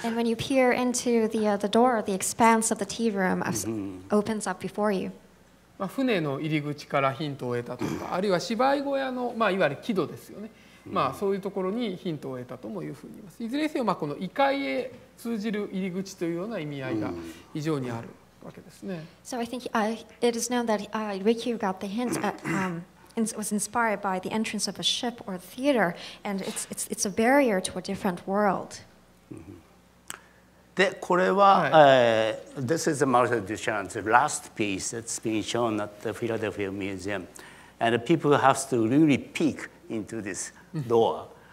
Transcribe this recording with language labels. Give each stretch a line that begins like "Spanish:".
English: And when you peer into the door, the expanse of the tea room opens up before you.
Japanese: まあ船の入り口からヒントを得たとか、あるいは芝居小屋のまあいわゆる木戸ですよね。まあそういうところにヒントを得たともいうふうに言います。いずれにせよまあこの異界へ通じる入り口というような意味合いが非常にあるわけですね。
English: So I think it is known that Rikyu got the hint was inspired by the entrance of a ship or theater, and it's a barrier to a different world.
Japanese: でこれは、はい
English: This is Marcel Duchamp's last piece that's been shown at the Philadelphia Museum, and people have to really peek into this door.